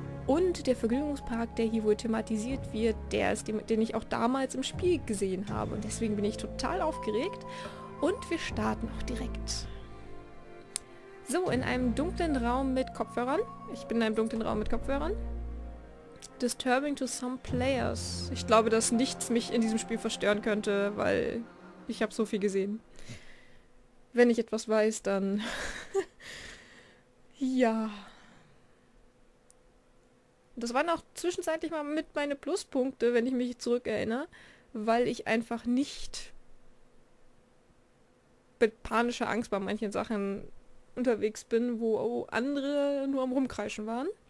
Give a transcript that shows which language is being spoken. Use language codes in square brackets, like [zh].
[de] Und der Vergnügungspark, der hier wohl thematisiert wird, der ist, den ich auch damals im Spiel gesehen habe. Und deswegen bin ich total aufgeregt. Und wir starten auch direkt. So, in einem dunklen Raum mit Kopfhörern. Ich bin in einem dunklen Raum mit Kopfhörern. [en] Disturbing to some players. [de] Ich glaube, dass nichts mich in diesem Spiel verstören könnte, weil ich habe so viel gesehen. Wenn ich etwas weiß, dann... ja. Das waren auch zwischenzeitlich mal mit meine Pluspunkte, wenn ich mich zurückerinnere, weil ich einfach nicht mit panischer Angst bei manchen Sachen unterwegs bin, wo andere nur am Rumkreischen waren.